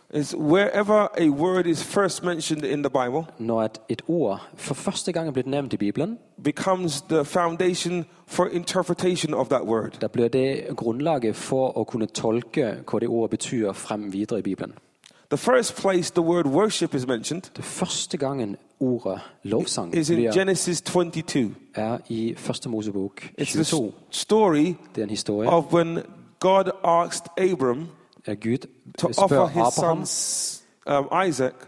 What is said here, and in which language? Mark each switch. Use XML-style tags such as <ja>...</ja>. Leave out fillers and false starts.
<en>It's wherever a word is first mentioned in the Bible.</en> <no>Når et ord for første gang blir nevnt I Bibelen.</no> <en>Becomes the foundation for interpretation of that word.</en> <no>Da blir det grundlaget for å kunne tolke hva det ordet betyr frem videre I Bibelen.</no> <en>The first place the word worship is mentioned.</en> <no>Det første gangen ordet lovsang</no> <en>is in Genesis 22.</en> <no>I første Mosebok</no> <en>22. It's a story.</en> <no>Det en historie.</no> <en>Of when God asked Abram.</en> <no>Gud</no> <en>to offer his son Isaac.</en>